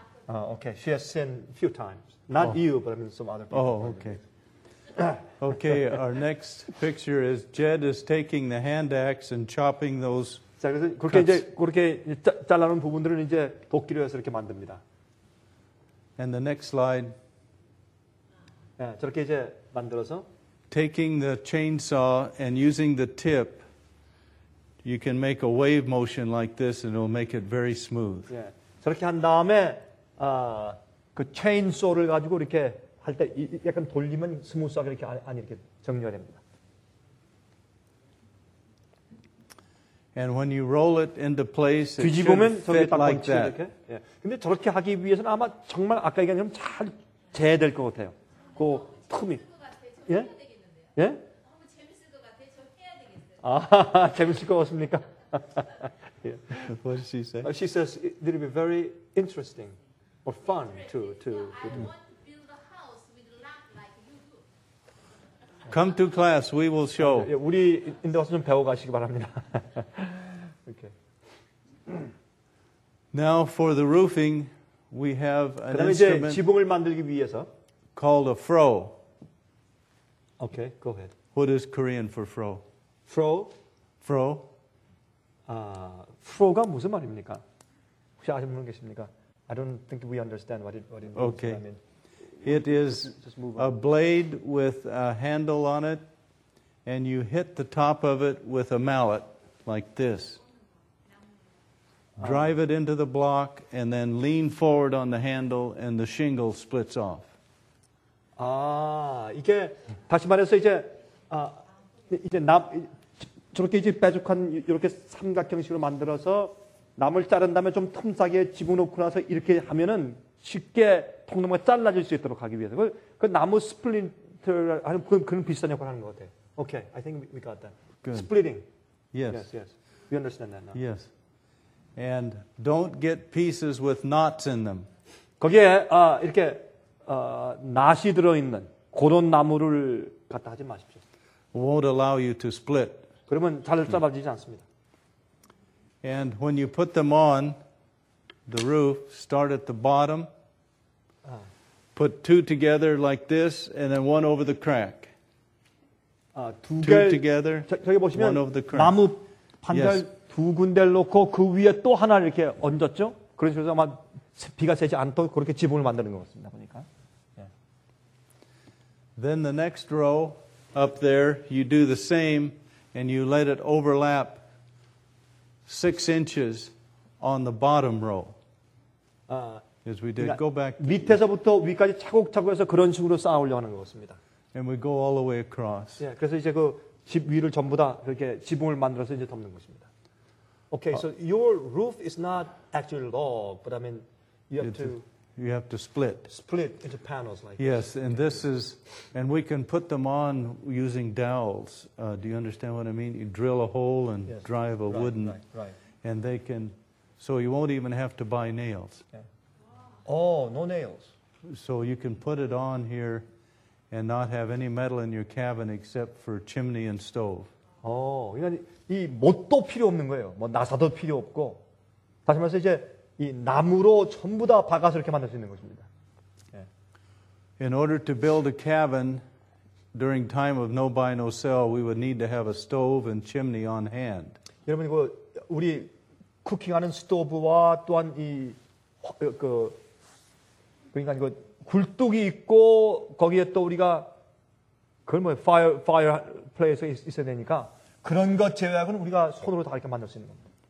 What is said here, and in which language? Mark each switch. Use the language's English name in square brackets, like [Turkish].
[English] Okay, she has sinned a few times. Not you, but I mean some other people. Oh, okay. Okay, our next picture is Jed is taking the hand axe and chopping those. [Korean] 자, 그렇게 이제 그렇게 잘라놓은 부분들을 이제 도끼로 해서 이렇게 만듭니다. [English] And the next slide. [Korean] 네, 저렇게 이제 만들어서. [English] Taking the chainsaw and using the tip, you can make a wave motion like this, and it'll make it very smooth. [Korean] 예, 저렇게 한 다음에. 그 체인소를 가지고 이렇게 할 때 약간 돌리면 스무스하게 이렇게 안 이렇게 정리가 됩니다. [English] And when you roll it into place, [Korean] 뒤집으면 저렇게 딱 [English] like [Korean] 멈추죠, 이렇게. 예. 근데 저렇게 하기 위해서는 아마 정말 아까 얘기한 것처럼 잘 재야 될 것 같아요. 그 틈이. 예? 예? 재밌을 것 같아. 저 해야 되겠어요. 아, 재밌을 것 같습니까? [English] Yeah. What does she say? She says it will be very interesting or fun to yeah, I want to build a house with lamp like you. Come to class, we will show. [Korean] 우리 인도에서 좀 배워 가시기 바랍니다. [English] Okay. Now for the roofing, we have an instrument. [Korean] 그다음에 이제 지붕을 만들기 위해서 [English] called a fro. Okay, go ahead. What is Korean for fro? Fro? Fro? [Korean] Fro가 무슨 말입니까? 혹시 아시는 분 계십니까? [English] I don't think we understand what it means. Okay. I mean, it is a blade with a handle on it, and you hit the top of it with a mallet like this. Drive it into the block, and then lean forward on the handle, and the shingle splits off. [Korean] 아, 이게 다시 말해서 이제 이제 나 저렇게 이제 빼죽한 이렇게 삼각형식으로 만들어서 나무를 자른 다음에 좀 틈사귀에 집어넣고 나서 이렇게 하면은 쉽게 통로가 잘라질 수 있도록 하기 위해서 그 나무 스플린터를 하는 그런 비슷한 역할을 하는 것 같아요. [English] Okay, I think we got that. Good. Splitting. Yes. Yes. Yes. We understand that now. Yes. And don't get pieces with knots in them. [Korean] 거기에 이렇게 낫이 들어 있는 그런 나무를 갖다 하지 마십시오. [English] Won't allow you to split. [Korean] 그러면 잘 잡아지지 않습니다. [English] And when you put them on the roof, start at the bottom. Put two together like this, and then one over the crack. [Korean] 두 [English] two [Korean] 개를, [English] together. [Korean] 저기 보시면 [English] one over the crack. [Korean] 나무 판들 두 군데를 놓고 그 위에 또 하나 이렇게 얹었죠. 그런 식으로 아마 비가 새지 않도록 그렇게 지붕을 만드는 것 같습니다. 보니까. [English] Then the next row up there, you do the same. And you let it overlap 6 inches on the bottom row. As we did, go back. [Korean] 밑에서부터 위까지 차곡차곡해서 그런 식으로 쌓아올려 하는 것 같습니다. [English] And we go all the way across. [Korean] 예, 그래서 이제 그 집 위를 전부 다 그렇게 지붕을 만들어서 이제 덮는 것입니다. [English] Okay, so your roof is not actually log, but I mean you have to. you have to split. Split into panels like this. Yes, and this is, and we can put them on using dowels. Do you understand what I mean? You drill a hole and yes. drive a right, wooden. Right. And they can, so you won't even have to buy nails. Yeah. Oh, no nails. So you can put it on here and not have any metal in your cabin except for chimney and stove. [Korean] 어, 그러니까 이 못도 필요 없는 거예요. 뭐 나사도 필요 없고. 다시 말해서 이제 이 나무로 전부 다 박아서 이렇게 만들 수 있는 것입니다. 예. [English] In order to build a cabin during time of no buy no sell, we would need to have a stove and chimney on hand. [Korean] 여러분 이거 우리 쿠킹하는 스토브와 또한 이 그 그러니까 이거 굴뚝이 있고 거기에 또 우리가 그걸 뭐 fire 플레이스 있어야 되니까 그런 것 제외하고는 우리가 손으로 다 이렇게 만들 수 있는 겁니다.